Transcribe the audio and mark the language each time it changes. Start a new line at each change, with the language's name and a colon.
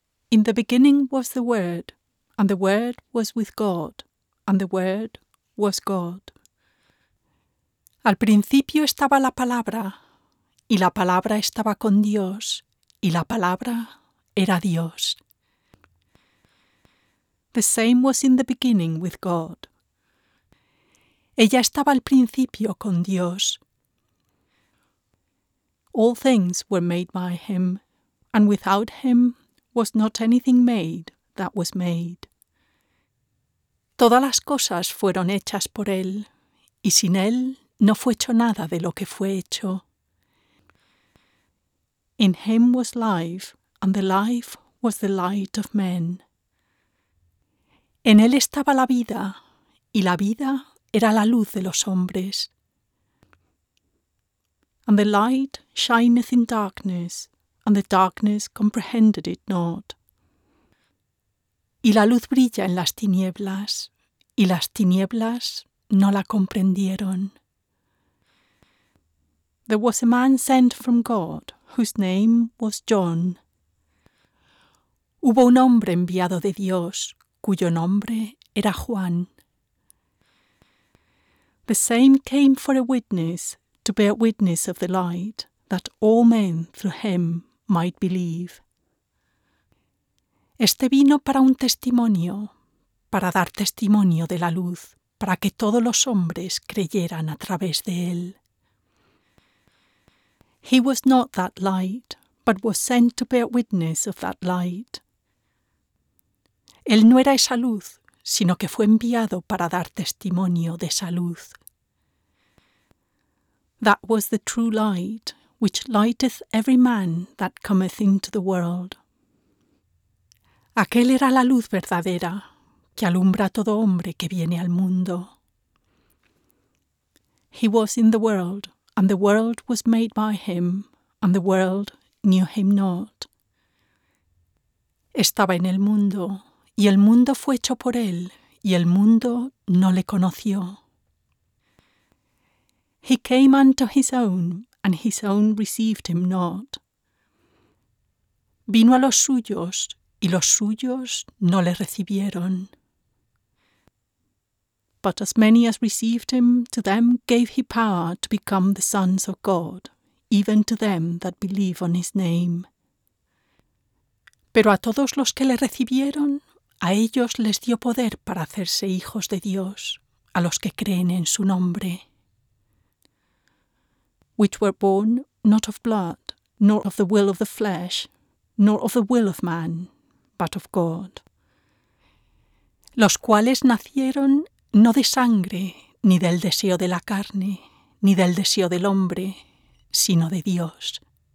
English: In the beginning was the Word, and the Word was with God, and the Word was God.
Spanish: Al principio estaba la palabra, y la palabra estaba con Dios, y la palabra era Dios.
English: The same was in the beginning with God.
Spanish: Ella estaba al principio con Dios.
English: All things were made by him, and without him was not anything made that was made.
Spanish: Todas las cosas fueron hechas por él, y sin él no fue hecho nada de lo que fue hecho.
English: In him was life, and the life was the light of men.
Spanish: En él estaba la vida, y la vida era la luz de los hombres.
English: And the light shineth in darkness, and the darkness comprehended it not.
Spanish: Y la luz brilla en las tinieblas, y las tinieblas no la comprendieron.
English: There was a man sent from God, whose name was John.
Spanish: Hubo un hombre enviado de Dios, cuyo nombre era Juan.
English: The same came for a witness, to bear witness of the light, that all men through him might believe.
Spanish: Este vino para un testimonio, para dar testimonio de la luz, para que todos los hombres creyeran a través de él.
English: He was not that light, but was sent to bear witness of that light.
Spanish: Él no era esa luz, sino que fue enviado para dar testimonio de esa luz.
English: That was the true light, which lighteth every man that cometh into the world.
Spanish: Aquel era la luz verdadera, que alumbra a todo hombre que viene al mundo.
English: He was in the world, and the world was made by him, and the world knew him not.
Spanish: Estaba en el mundo, y el mundo fue hecho por él, y el mundo no le conoció.
English: He came unto his own, and his own received him not.
Spanish: Vino a los suyos, y los suyos no le recibieron.
English: But as many as received him, to them gave he power to become the sons of God, even to them that believe on his name.
Spanish: Pero a todos los que le recibieron, a ellos les dio poder para hacerse hijos de Dios, a los que creen en su nombre.
English: Which were born not of blood, nor of the will of the flesh, nor of the will of man, but of God.
Spanish: Los cuales nacieron no de sangre, ni del deseo de la carne, ni del deseo del hombre, sino de Dios.